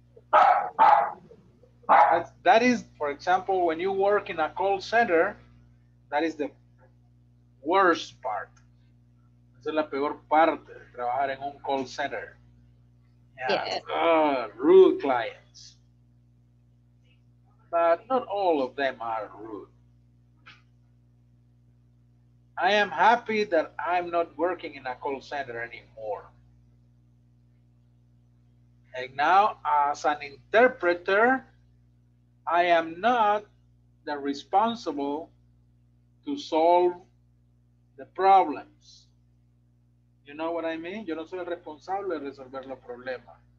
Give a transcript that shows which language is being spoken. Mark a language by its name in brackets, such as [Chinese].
[English] That is, for example, when you work in a call center, that is the worst part. [Spanish] Esa es la peor parte de trabajar en un call center. [English] Yeah. Rude clients. But not all of them are rude. I am happy that I'm not working in a call center anymore. And now, as an interpreter, I am not the responsible to solve the problems. You know what I mean? [Spanish] Yo no soy el responsable de resolver los problemas.